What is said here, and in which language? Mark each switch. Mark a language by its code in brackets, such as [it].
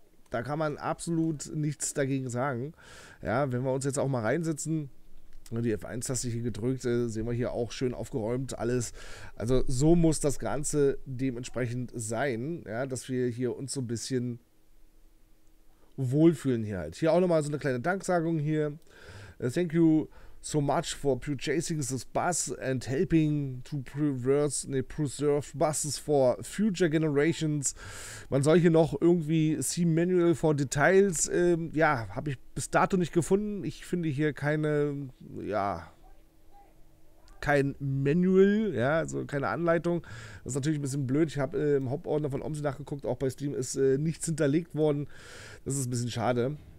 [de] Da kann man absolut nichts dagegen sagen. Ja, wenn wir uns jetzt auch mal reinsetzen, die F1-Taste hier gedrückt, sehen wir hier auch schön aufgeräumt alles. Also so muss das Ganze dementsprechend sein, ja, dass wir hier uns so ein bisschen wohlfühlen hier halt. Hier auch nochmal so eine kleine Danksagung hier. [en] Thank you so much for purchasing this bus and helping to preserve buses for future generations. [de] Man soll hier noch irgendwie [en] see manual for details. [de] Ja, habe ich bis dato nicht gefunden. Ich finde hier keine, ja, kein Manual, ja, also keine Anleitung. Das ist natürlich ein bisschen blöd. Ich habe im Hauptordner von OMSI nachgeguckt, auch bei Steam ist nichts hinterlegt worden. Das ist ein bisschen schade.